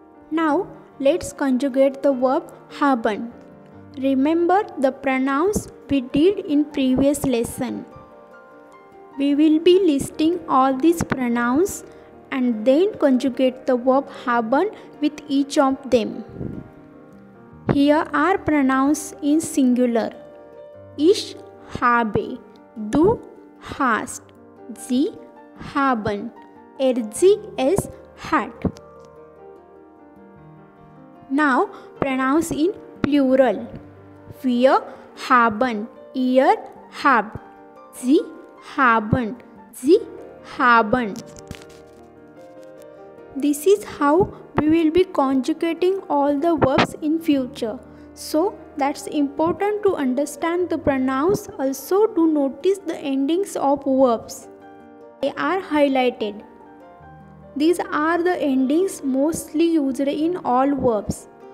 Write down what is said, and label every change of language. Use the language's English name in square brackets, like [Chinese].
[English] Now, let's conjugate the verb haben. Remember the pronouns we did in previous lesson. We will be listing all these pronouns and then conjugate the verb haben with each of them. Here are pronouns in singular. [German] Ich habe, du hast, sie haben, sie es hat. [English] Now pronouns in plural. [German] Wir haben, ihr habt, sie haben, [English] sie haben. This is how we will be conjugating all the verbs in future. So that's important to understand the pronouns, also to notice the endings of verbs. They are highlighted. These are the endings mostly used in all verbs.